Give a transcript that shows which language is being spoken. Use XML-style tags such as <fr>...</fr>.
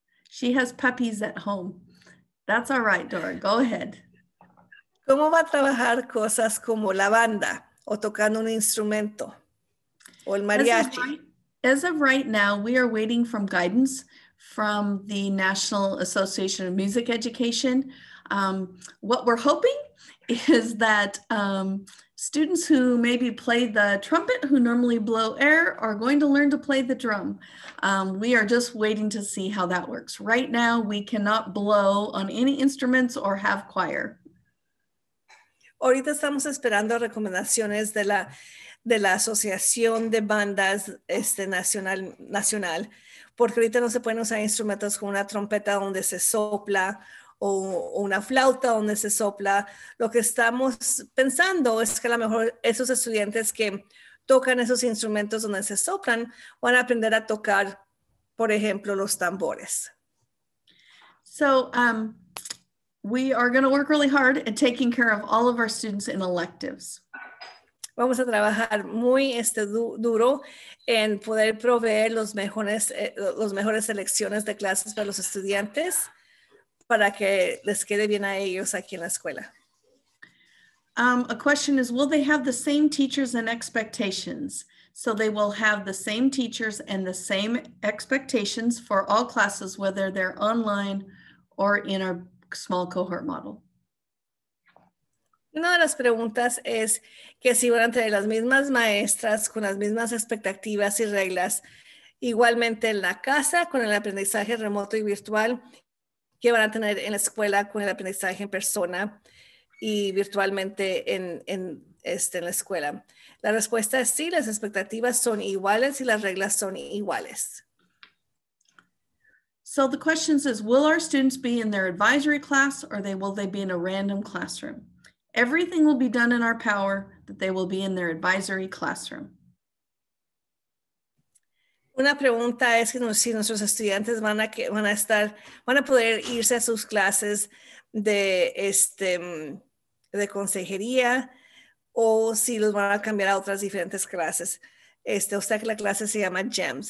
<en>She has puppies at home. That's all right, Dora. Go ahead.</en> <es>¿Cómo va a trabajar cosas como la banda o tocando un instrumento o el mariachi?</es> <en>As of right now, we are waiting for guidance from the National Association of Music Education. What we're hoping is that Students who maybe play the trumpet, who normally blow air, are going to learn to play the drum. We are just waiting to see how that works. Right now, we cannot blow on any instruments or have choir.</en> <es>Ahorita estamos esperando recomendaciones de la Asociación de Bandas Nacional, porque ahorita no se pueden usar instrumentos como una trompeta donde se sopla o una flauta donde se sopla. Lo que estamos pensando es que a lo mejor esos estudiantes que tocan esos instrumentos donde se soplan van a aprender a tocar, por ejemplo, los tambores.</es> <en>So, we are going to work really hard at taking care of all of our students in electives.</en> <es>Vamos a trabajar muy duro en poder proveer los mejores selecciones de clases para los estudiantes para que les quede bien a ellos aquí en la escuela.</es> <en>A question is, will they have the same teachers and expectations? So they will have the same teachers and the same expectations for all classes, whether they're online or in our small cohort model.</en> <es>Una de las preguntas es que si van a tener las mismas maestras con las mismas expectativas y reglas, igualmente en la casa con el aprendizaje remoto y virtual, que van a tener en la escuela con el aprendizaje en persona y virtualmente en la escuela. La respuesta es sí, las expectativas son iguales y las reglas son iguales.</es> <en>So the question is, will our students be in their advisory class or will they be in a random classroom? Everything will be done in our power that they will be in their advisory classroom.</en> <es>Una pregunta es que si nuestros estudiantes van a poder irse a sus clases de consejería o si los van a cambiar a otras diferentes clases. O sea que la clase se llama GEMS.</es>